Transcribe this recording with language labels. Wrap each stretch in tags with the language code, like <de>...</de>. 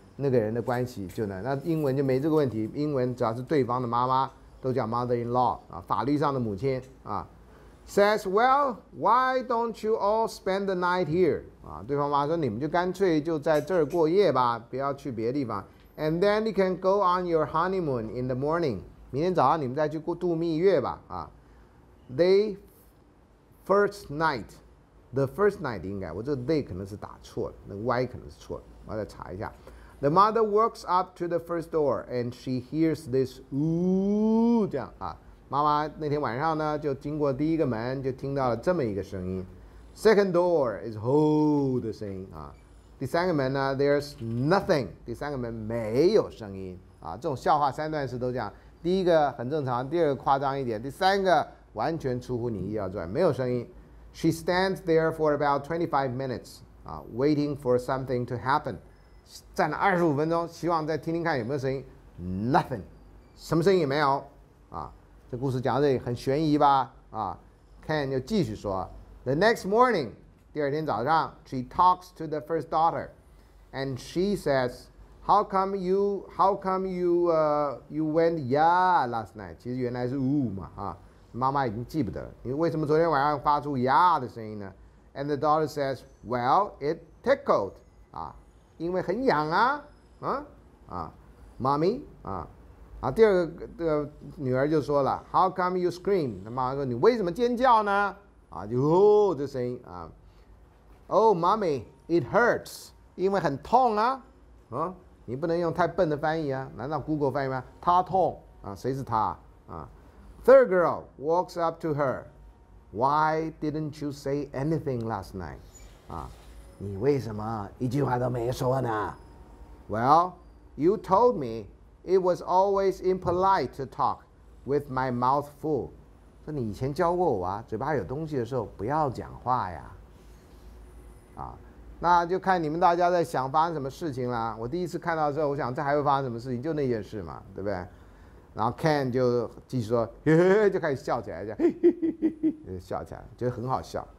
<zh>那个人的关系就那英文就没这个问题，英文只要是对方的妈妈都叫 mother-in-law、啊、法律上的母亲啊。</zh> <en>Says well, why don't you all spend the night here？、</en> <zh>对方妈说你们就干脆就在这儿过夜吧，不要去别的地方。</zh> <en>And then you can go on your honeymoon in the morning.</en> <zh>明天早上你们再去过度蜜月吧。</zh> <en>They first night, the first night</en> <zh>应该，我这 they 可能是打错了，那个 y 可能是错了，我再查一下。</zh> <en>The mother walks up to the first door and she hears this ooh</en> <zh>这样啊。妈妈那天晚上呢就经过第一个门就听到了这么一个声音。</zh> <en>Second door is ho</en> <zh>的声音啊。第三个门呢</zh> <en>there's nothing,</en> <zh>第三个门没有声音啊。这种笑话三段式都这样，第一个很正常，第二个夸张一点，第三个完全出乎你意料之外，没有声音。</zh> <en>She stands there for about 25 minutes, waiting for something to happen.</en> <zh>站了25分钟希望再听听看有没有声音。</zh> <en>Nothing,</en> <zh>什么声音也没有啊。这故事讲得很悬疑吧啊。</zh> <en>Ken</en> <zh>又继续说</zh> <en>The next morning,</en> <zh>第二天早上</zh> <en>she talks to the first daughter, and she says, how come you went yeah last night?</en> <zh>其实原来是 woo 嘛啊，妈妈已经记不得了，你为什么昨天晚上发出 yeah 的声音呢？</zh> <en>And the daughter says, well, it tickled, 啊，</en> <zh>因为很痒啊，</zh> <en>啊啊 ,mommy, 啊。</en> <zh>啊，第二个这个女儿就说了 ，</zh> <en>How come you scream？</en> <zh>她妈妈说你为什么尖叫呢？啊，就哦这声音啊 ，</zh> <en>Oh mommy, it hurts，</en> <zh>因为很痛啊，啊，你不能用太笨的翻译啊，难道 Google 翻译吗？她痛啊，谁是她啊</zh> <en>？Third girl walks up to her， Why didn't you say anything last night？</en> <zh>啊，你为什么一句话都没说呢 ？</zh> <en>Well, you told me。 It was always impolite to talk with my mouth full.</en> <zh>说你以前教过我啊，嘴巴有东西的时候不要讲话呀。啊，那就看你们大家在想发生什么事情啦。我第一次看到的时候，我想这还会发生什么事情，就那件事嘛，对不对？然后 Ken 就继续说，嘿嘿嘿，就开始笑起来，这样嘿嘿嘿嘿，笑起来，觉得很好笑。</zh>